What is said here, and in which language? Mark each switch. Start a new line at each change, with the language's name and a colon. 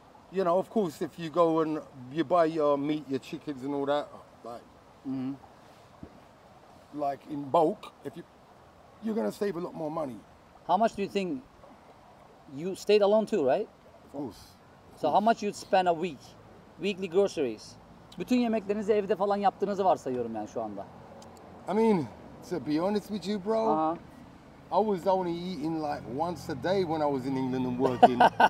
English: You know, of course, if you go and you buy your meat, your chickens and all that, like in bulk, if you're going to save a lot more money. How much do you think you stayed alone too, right? Of course. How much you'd spend a week, weekly groceries?
Turkish: Bütün yemeklerinizi evde falan yaptığınızı varsayıyorum yani şu anda.
English: I mean, to be honest with you, bro, I was only eating like once a day when I was in England and working.